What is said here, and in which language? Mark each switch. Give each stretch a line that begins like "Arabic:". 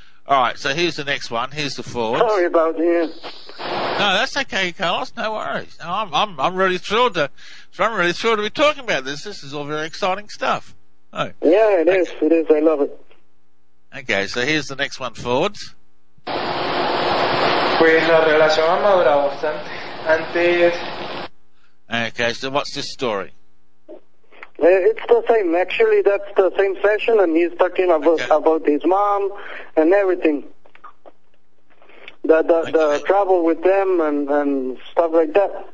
English: All right, so here's the next one. Here's the forwards. Sorry about you. No, that's okay, Carlos. No worries. I'm really thrilled to. I'm really thrilled to be talking about this. This is all very exciting stuff. Oh. Yeah, it is. It is. I love it. Okay, so here's the next one, forwards.
Spanish: Pues la relación ha madurado bastante antes.
English: Okay, so what's this story? It's the same. Actually, that's the same session, and he's talking about his mom and everything. The trouble with them and stuff like that.